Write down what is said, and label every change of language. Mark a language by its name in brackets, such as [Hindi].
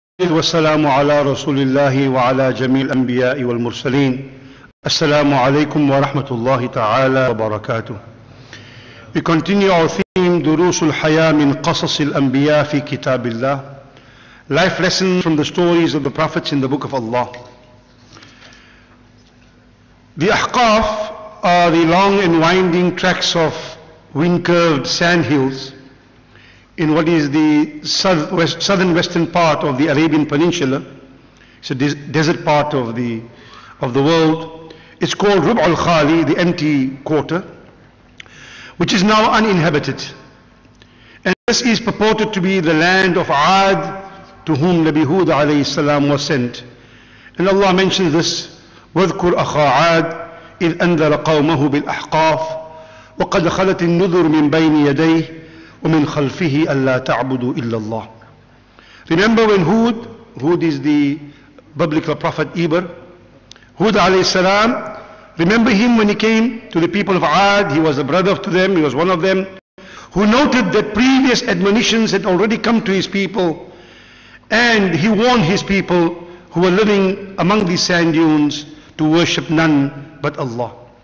[Arabic] والسلام على رسول الله وعلى جميع الأنبياء والمرسلين. السلام عليكم ورحمة الله تعالى وبركاته. [English] We continue our theme, [Arabic] دروس الحياة من قصص الأنبياء في كتاب الله. [English] Life lessons from the stories of the prophets in the book of Allah. The Ahqaf are the long and winding tracks of wind-curved sand hills in what is the southern western part of the Arabian Peninsula. It's a desert part of the world. It's called Rub' al-Khali, the empty quarter, which is now uninhabited. And this is purported to be the land of Ad, to whom Nabi Hud alayhi salam was sent. And Allah mentions this, [Arabic] وَذْكُرْ أَخَا عَاد إِذْ أَنذَرَ قَوْمَهُ بِالْأَحْقَافِ وَقَدْ خَلَتِ النُّذُرُ مِنْ بَيْنِ يَدَيْهِ وَمِنْ خَلْفِهِ أَلَّا تَعْبُدُوا إِلَّا اللَّهِ. [English] Remember when Hud is the biblical prophet Eber, Hud alayhi salam, remember him when he came to the people of Ad, he was a brother to them, he was one of them, who noted that previous admonitions had already come to his people, and he warned his people who were living among these sand dunes to worship none but Allah.